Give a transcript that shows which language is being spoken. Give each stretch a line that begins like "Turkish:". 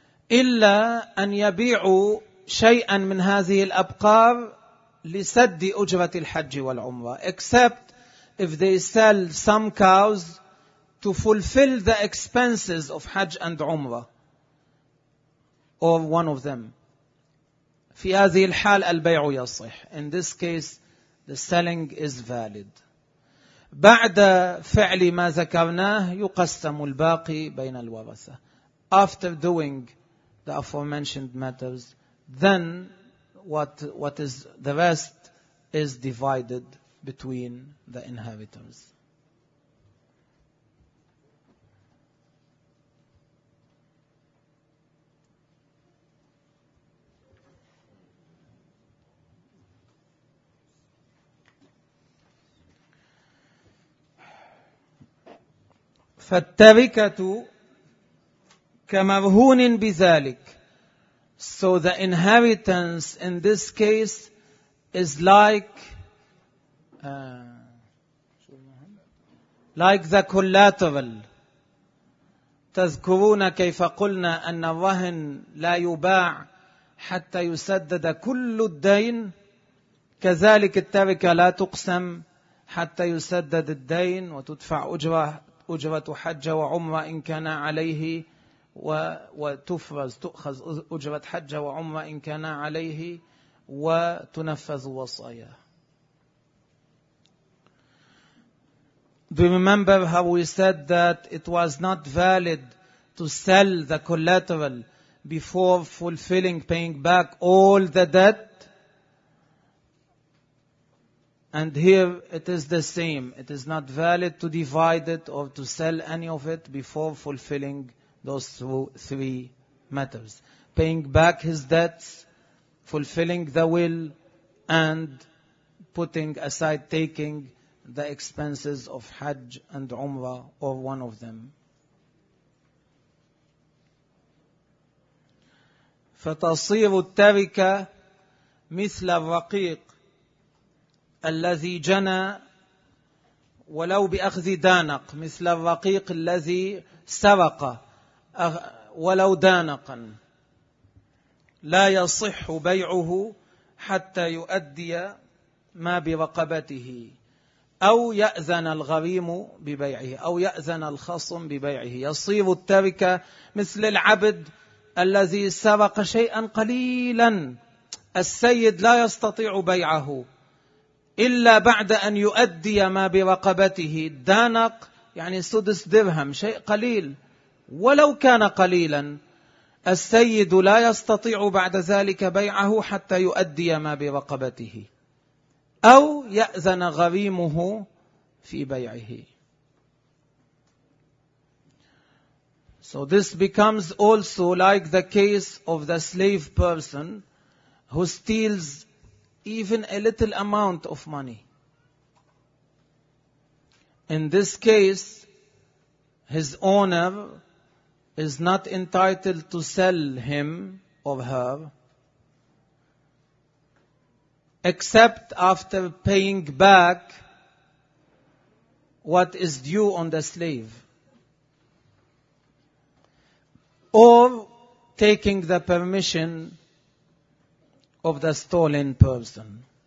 Arabic: إلا أن يبيعوا شيئا من هذه الأبقار لسد أجرة الحج والعمرة.
English: Except if they sell some cows to fulfill the expenses of Hajj and Umrah, or one of them.
Arabic: في هذه الحال البيع يصح.
English: In this case, the selling is valid.
Arabic: بعد فعل ما ذكرناه يقسم الباقي بين الورثة.
English: After doing the aforementioned matters, then what is the rest is divided between the inheritors.
Arabic: فالتركة كمرهون بذلك.
English: So the inheritance in this case is like the collateral.
Arabic: تذكرون كيف قلنا أن الرهن لا يباع حتى يسدد كل الدين. كذلك التركة لا تقسم حتى يسدد الدين وتدفع أجرة حج وعمرة إن كان عليه وتفرز تؤخذ أجرة حج وعمرة إن كان عليه وتنفذ وصايا.
English: Do you remember how we said that it was not valid to sell the collateral before fulfilling, paying back all the debt? And here it is the same. It is not valid to divide it or to sell any of it before fulfilling those three matters. Paying back his debts, fulfilling the will, and putting aside, taking the expenses of Hajj and Umrah or one of them.
Arabic: فتصير التركة مثل الرقيق الذي جنى ولو بأخذ دانق, مثل الرقيق الذي سرق ولو دانقا, لا يصح بيعه حتى يؤدي ما برقبته أو يأذن الغريم ببيعه أو يأذن الخصم ببيعه. يصير التركة مثل العبد الذي سرق شيئا قليلا, السيد لا يستطيع بيعه إلا بعد أن يؤدي ما برقبته. دانق يعني سدس درهم, شيء قليل, ولو كان قليلا السيد لا يستطيع بعد ذلك بيعه حتى يؤدي ما برقبته أو يأذن غريمه في بيعه.
English: So this becomes also like the case of the slave person who steals even a little amount of money. In this case, his owner is not entitled to sell him or her except after paying back what is due on the slave or taking the permission of the stolen person